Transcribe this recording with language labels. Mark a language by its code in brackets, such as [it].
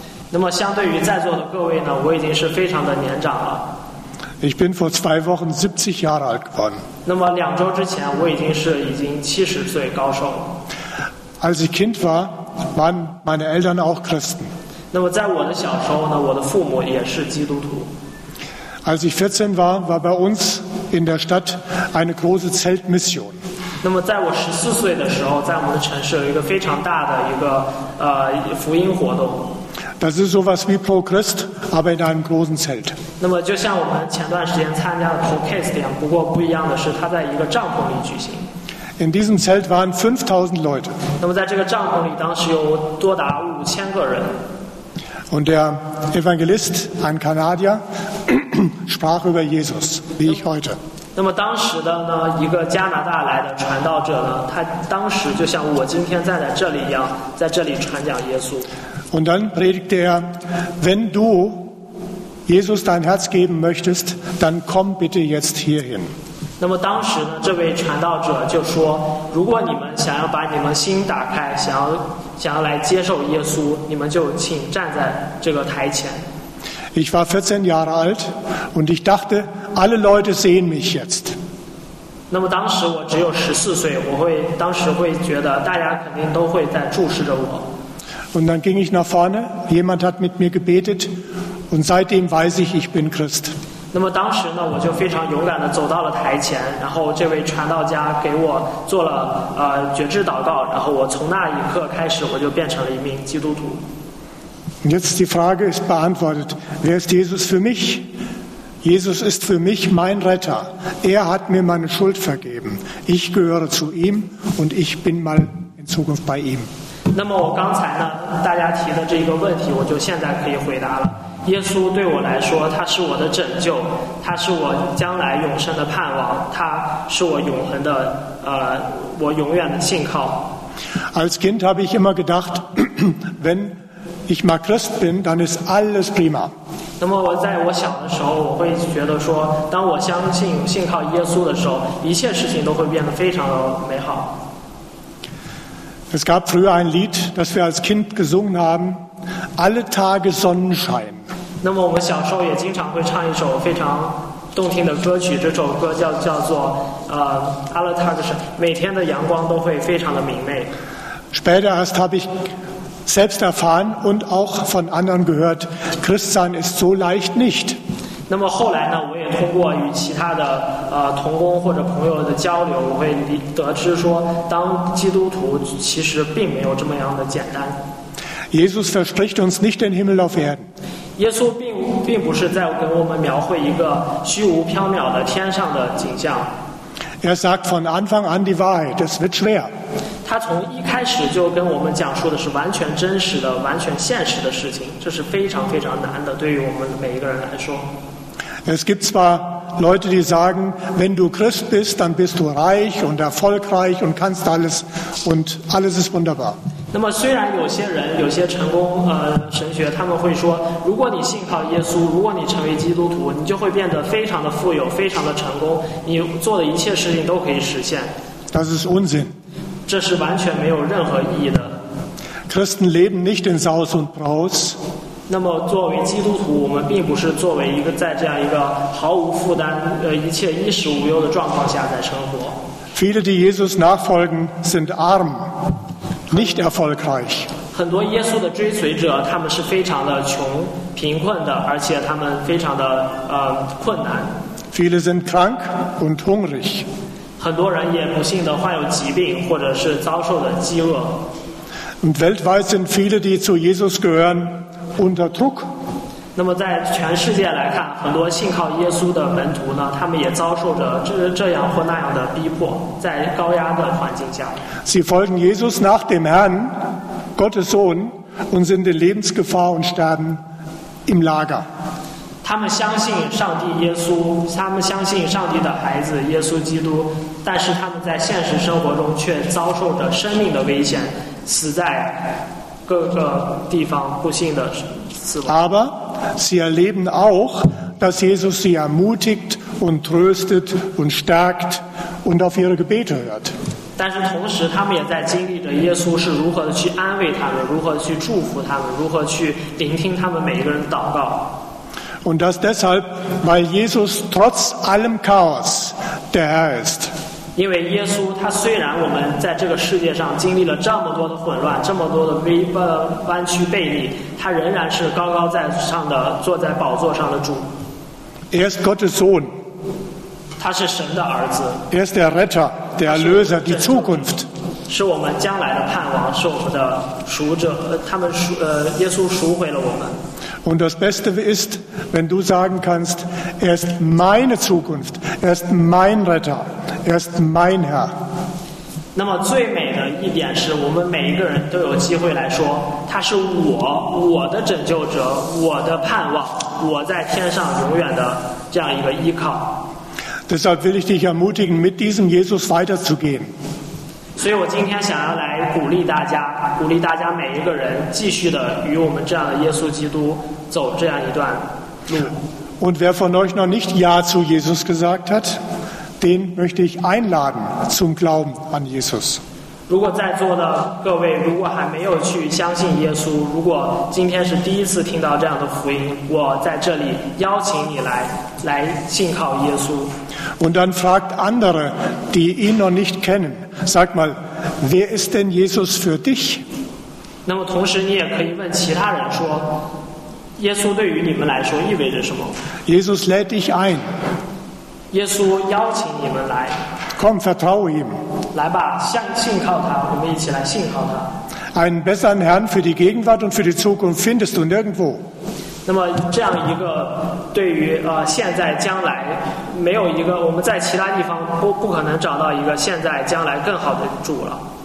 [zh] 那么相对于在座的各位呢，我已经是非常的年长了。 [de] Ich bin vor zwei Wochen 70 Jahre alt geworden. [zh] 那么两周之前，我已经70岁高寿。 [de] Als ich Kind war, waren meine Eltern auch Christen. [zh] 那么在我的小时候呢，我的父母也是基督徒。 [de] Als ich 14 war, war bei uns in der Stadt eine große Zeltmission. [zh] 那么在我14岁的时候，在我们的城市有一个非常大的一个福音活动。 [de] Das ist sowas wie Pro Christ, aber in einem großen Zelt. [zh] 那么就像我们前段时间参加的 Pro Christ 一样，不过不一样的是，它在一个帐篷里举行。 [de] In diesem Zelt waren 5000 Leute. [zh] 那么在这个帐篷里，当时有多达5000个人。 [de] Und der Evangelist, ein Kanadier, sprach über Jesus, wie ich heute. [zh] 那么当时的呢，一个加拿大来的传道者呢，他当时就像我今天站在这里一样，在这里传讲耶稣。 [de] Und dann predigte er, wenn du Jesus dein Herz geben möchtest, dann komm bitte jetzt hierhin. [zh] 那么当时呢，这位传道者就说，如果你们想要把你们心打开，想要来接受耶稣，你们就请站在这个台前。 [de] Ich war 14 Jahre alt und ich dachte, alle Leute sehen mich jetzt. [zh] 那么当时我只有14岁，当时会觉得大家肯定都会在注视着我。 [de] Und dann ging ich nach vorne, jemand hat mit mir gebetet und seitdem weiß ich, ich bin Christ. [zh] 那么当时呢，我就非常勇敢地走到了台前，然后这位传道家给我做了觉知祷告，然后我从那一刻开始，我就变成了一名基督徒。 [de] Jetzt die Frage ist beantwortet, wer ist Jesus für mich? Jesus ist für mich mein Retter. Er hat mir meine Schuld vergeben. Ich gehöre zu ihm und ich bin mal in Zukunft bei ihm. [zh] 那么我刚才呢，大家提的这个问题，我就现在可以回答了。耶稣对我来说，他是我的拯救，他是我将来永生的盼望，他是我永恒的我永远的信靠。 [de] Als Kind habe ich immer gedacht, wenn ich mal Christ bin, dann ist alles prima. [zh] 那么我在我小的时候，我会觉得说，当我相信信靠耶稣的时候，一切事情都会变得非常的美好。 [de] Es gab früher ein Lied, das wir als Kind gesungen haben: Alle Tage Sonnenschein. [zh] 那么我们小时候也经常会唱一首非常动听的歌曲，这首歌叫做 [de] Alle Tage Sonnenschein, [zh] 每天的阳光都会非常的明媚。 [de] Später erst habe ich selbst erfahren und auch von anderen gehört, Christsein ist so leicht nicht. [zh] 那么后来呢，我也通过与其他的同工或者朋友的交流，我会得知说，当基督徒其实并没有这么样的简单。 [de] Jesus verspricht uns nicht den Himmel auf Erden. [zh] 耶稣并不是在给我们描绘一个虚无缥缈的天上的景象。 [de] Er sagt von Anfang an die Wahrheit, es wird schwer. [zh] 他从一开始就跟我们讲述的是完全真实的、完全现实的事情，这是非常非常难的，对于我们每一个人来说。 [de] Es gibt zwar Leute, die sagen, wenn du Christ bist, dann bist du reich und erfolgreich und kannst alles und alles ist wunderbar. [zh] 那么虽然有些人、有些成功神学，他们会说，如果你信靠耶稣，如果你成为基督徒，你就会变得非常的富有、非常的成功，你做的一切事情都可以实现。 [de] Das ist Unsinn. [zh] 这是完全没有任何意义的。 [de] Christen leben nicht in Saus und Braus. [zh] 那么作为基督徒，我们并不是作为一个在这样一个毫无负担、一切衣食无忧的状况下在生活。 [de] Viele, die Jesus nachfolgen, sind arm. Nicht erfolgreich. [zh] 很多耶稣的追随者，他们是非常的穷、贫困的，而且他们非常的困难。 [de] Viele sind krank und hungrig. [zh] 很多人也不幸的患有疾病，或者是遭受的饥饿。 [de] Und weltweit sind viele, die zu Jesus gehören, unter Druck. [zh] 那么在全世界来看，很多信靠耶稣的门徒呢，他们也遭受着这样或那样的逼迫，在高压的环境下。 [de] Sie folgen Jesus nach dem Herrn, Gottes Sohn, und sind in Lebensgefahr und sterben im Lager. [zh] 他们相信上帝耶稣，他们相信上帝的孩子耶稣基督，但是他们在现实生活中却遭受着生命的危险，死在各个地方，不幸的死亡。 [de] Aber sie erleben auch, dass Jesus sie ermutigt und tröstet und stärkt und auf ihre Gebete hört. [zh] 但是同时他们也在经历着耶稣是如何去安慰他们，如何去祝福他们，如何去聆听他们每一个人的祷告。 [de] Und das deshalb, weil Jesus trotz allem Chaos der Herr ist. [zh] 因为耶稣他虽然我们在这个世界上经历了这么多的混乱，这么多的弯曲背逆，他仍然是高高在上的，坐在宝座上的主。 [de] Er ist Gottes Sohn. [zh] 他是神的儿子。 [de] Er ist der Retter. Der Erlöser, die Zukunft. [zh] 是我们将来的盼望，是我们的赎者。他们赎，耶稣赎回了我们。 [de] Und das Beste ist, wenn du sagen kannst, er ist meine Zukunft, er ist mein Retter, er ist mein Herr. [zh] 那么最美的一点是我们每一个人都有机会来说，他是我的拯救者，我的盼望，我在天上永远的这样一个依靠。 [de] Deshalb will ich dich ermutigen, mit diesem Jesus weiterzugehen. [zh] 所以我今天想要来鼓励大家，鼓励大家每一个人继续的与我们这样的耶稣基督走这样一段路。 [de] Und wer von euch noch nicht Ja zu Jesus gesagt hat, den möchte ich einladen zum Glauben an Jesus. [zh] 如果在座的各位如果还没有去相信耶稣，如果今天是第一次听到这样的福音，我在这里邀请你来信靠耶稣。 [de] Und dann fragt andere, die ihn noch nicht kennen, sag mal, wer ist denn Jesus für dich? [zh] 那么同时你也可以问其他人说，耶稣对于你们来说意味着什么？ [de] Jesus lädt dich ein. [zh] 耶稣邀请你们来。 [de] Komm, vertraue ihm. [zh] 来吧，信靠他，我们一起来信靠他。 [de] Einen besseren Herrn für die Gegenwart und für die Zukunft findest du nirgendwo. [zh] 那么这样一个对于现在将来没有一个我们在其他地方不可能找到一个现在将来更好的主了。